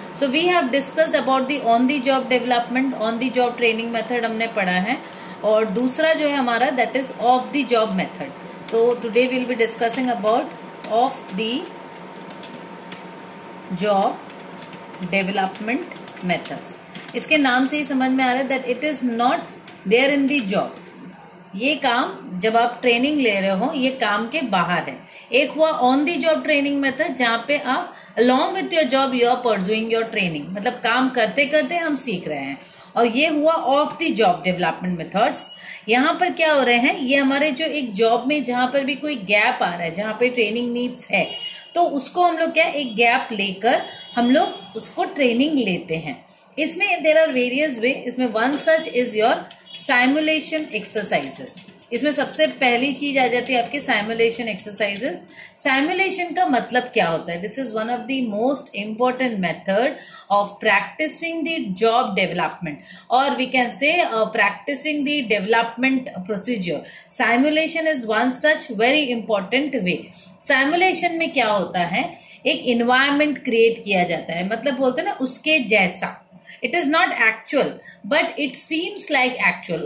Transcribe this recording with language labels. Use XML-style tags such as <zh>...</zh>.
<en>So, we have discussed about the on-the-job development, on-the-job training method</en> <hi>हमने पढ़ा है. और दूसरा जो है हमारा,</hi> <en>that is off-the-job method. So, today we will be discussing about off-the-job development methods.</en> <hi>इसके नाम से ही समझ में आ रहा है,</hi> <en>that it is not there in the job.</en> <hi>ये काम जब आप ट्रेनिंग ले रहे हो, ये काम के बाहर है. एक हुआ on the job training method, जहां पे आप</hi> <en>along with your job you are pursuing your training,</en> <hi>मतलब काम करते करते हम सीख रहे हैं. और ये हुआ of the job development methods. यहां पर क्या हो रहे हैं, ये हमारे जो एक जॉब में जहां पर भी कोई गैप आ रहा है, जहां पे ट्रेनिंग नीड्स है, तो उसको हम लोग क्या, एक गैप लेकर हम लोग उसको ट्रेनिंग लेते हैं.</hi> <en>इसमें there are various way. इसमें one such is your simulation exercises.</en> <hi>इसमें सबसे पहली चीज आ जाती है आपके सिमुलेशन एक्सरसाइजेस. सिमुलेशन का मतलब क्या होता है,</hi> <en>This is one of the most important method of practising the job development, और we can say practising the development procedure. Simulation is one such very important way.</en> <hi>Simulation में क्या होता है, एक इन्वायरमेंट क्रिएट किया जाता है, मतलब बोलते हैं ना उसके जैसा.</hi> <en>It is not actual, but it seems like actual.</en>